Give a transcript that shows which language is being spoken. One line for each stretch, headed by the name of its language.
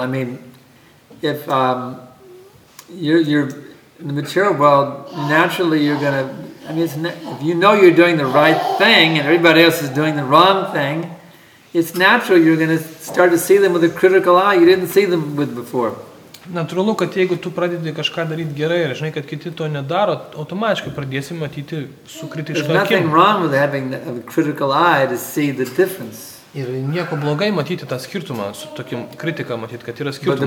English: I mean, if you're in the material world, naturally you're going to, I mean, if you know you're doing the right thing and everybody else is doing the wrong thing, it's natural you're going to start to see them with a critical eye you didn't see them with before.
Lithuanian: Natūralu, kad jeigu tu pradedi kažką daryti gerai ir žinai, kad kiti to nedaro, automatiškai pradėsi matyti su kritiška akim.
English: There's nothing wrong with having a critical eye to see the difference.
Lithuanian: Ir nieko blogai matyti tą skirtumą, su tokiu kritika matyti, kad yra skirtumas.